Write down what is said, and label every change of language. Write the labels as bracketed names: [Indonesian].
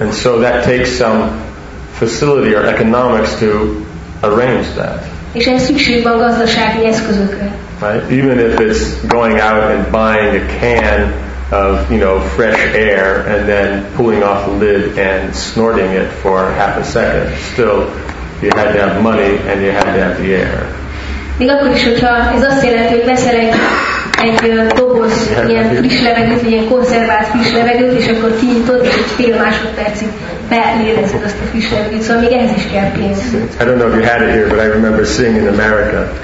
[English] And so that takes some facility or economics to arrange that. [Hungarian] És ehhez szükség van gazdasági eszközökre. [English] Right? Even if it's going out and buying a can of, you know, fresh air and then pulling off the lid and snorting it for half a second, still you had to have money and you had to have the air. [Hungarian] Még akkor is, hogyha ez azt jelenti, hogy veszel egy doboz ilyen friss levegőt, vagy ilyen konzervált friss levegőt, és akkor kinyitod, és egy fél másodpercig beérezed azt a friss levegőt. Szóval még ehhez is kell pénz. [English] I don't know if you had it here, but I remember seeing in America.